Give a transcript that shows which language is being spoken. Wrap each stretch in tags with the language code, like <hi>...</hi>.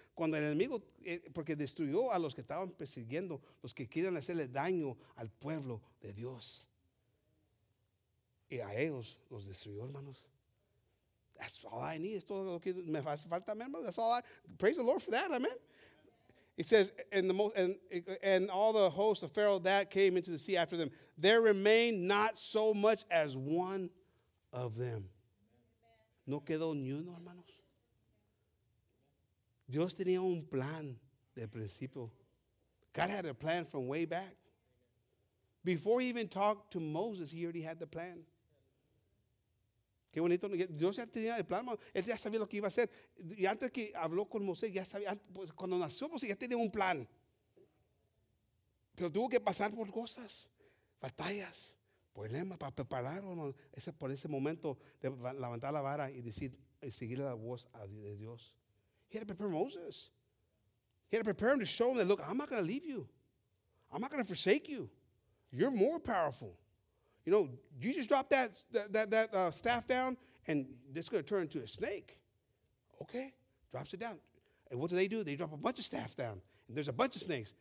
<es>Cuando el enemigo, porque destruyó a los que estaban persiguiendo, los que quieren hacerle daño al pueblo de Dios. Y a ellos los destruyó, hermanos.</es> <en>That's all I need.</en> <es>Esto es lo que me hace falta, hermanos.</es> <en>That's all I praise the Lord for that, amen. It says, and all the hosts of Pharaoh that came into the sea after them, there remained not so much as one of them.</en> <es>No quedó ni uno, hermanos. Dios tenía un plan de principio.</es> <en>God had a plan from way back. Before he even talked to Moses, he already had the plan.</en> <es>Qué bonito. Dios ya tenía el plan. Él ya sabía lo que iba a hacer. Y antes que habló con Moisés, ya sabía. Pues cuando nació Moisés, ya tenía un plan. Pero tuvo que pasar por cosas, batallas, problemas, para preparar por ese momento de levantar la vara y decir, y seguir la voz de Dios.</es> <en>He had to prepare Moses. He had to prepare him to show him that, look, I'm not going to leave you. I'm not going to forsake you. You're more powerful. You know, you just drop that staff down, and it's going to turn into a snake. Okay, drops it down. And what do? They drop a bunch of staff down, and there's a bunch of snakes.</en>